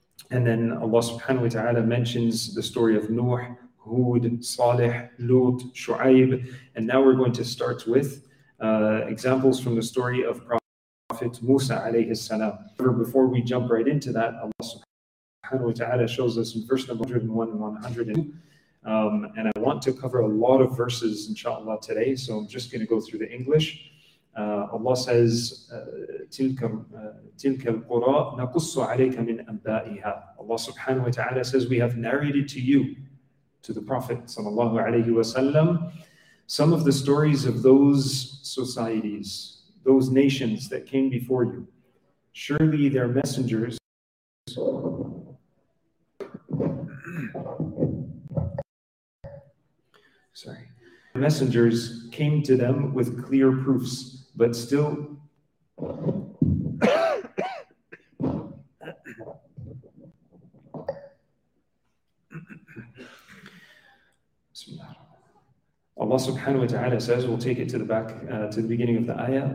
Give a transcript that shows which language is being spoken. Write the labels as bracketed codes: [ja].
[en] And then Allah subhanahu wa ta'ala mentions the story of Nuh, Hud, Salih, Lut, Shu'aib, and now we're going to start with examples from the story of Prophet Musa alayhi salam. However, before we jump right into that, Allah subhanahu wa ta'ala shows us in verse number 101 and 102, and I want to cover a lot of verses, inshallah, today, so I'm just going to go through the English. [ar] Allah says, تِلْكَ الْقُرَى نَقُصُّ عَلَيْكَ مِنْ أَنْبَائِهَا. [en] Allah subhanahu wa ta'ala says, we have narrated to you, to the Prophet sallallahu alayhi wa sallam, some of the stories of those societies, those nations that came before you. Surely their messengers, messengers came to them with clear proofs, but still, Allah subhanahu wa ta'ala says, we'll take it to the back, to the beginning of the ayah.